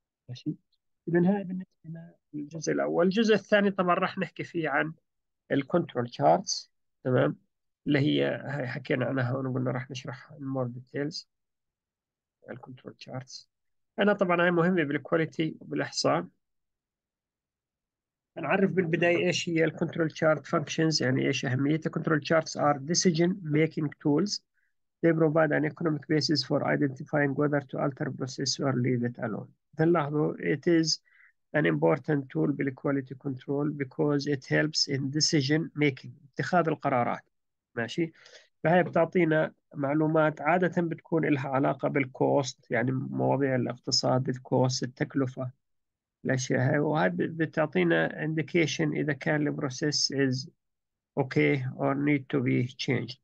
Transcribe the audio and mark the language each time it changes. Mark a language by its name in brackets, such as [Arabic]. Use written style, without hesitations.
[Arabic] ماشي، إذا هاي بالنسبة للجزء الأول. الجزء الثاني طبعا راح نحكي فيه عن الكنترول تشارتس، تمام، اللي هي هاي حكينا عنها وقلنا راح نشرحها [English] in more details. [Arabic] الكنترول تشارتس أنا طبعا هاي مهمة بالكواليتي وبالإحصاء. نعرف بالبداية إيش هي الكنترول تشارت فانكشنز، يعني إيش أهميتها. [English] Control charts are decision making tools. They provide an economic basis for identifying whether to alter process or leave it alone. Then لاحظوا it is an important tool بالquality control because it helps in decision making [Arabic] اتخاذ القرارات. ماشي، فهي بتعطينا معلومات عادة بتكون لها علاقة بالكوست، يعني مواضيع الاقتصاد، الكوست، التكلفة، الأشياء هاي، وهي بتعطينا indication إذا كان البروسيس is اوكي [English] or need to be changed.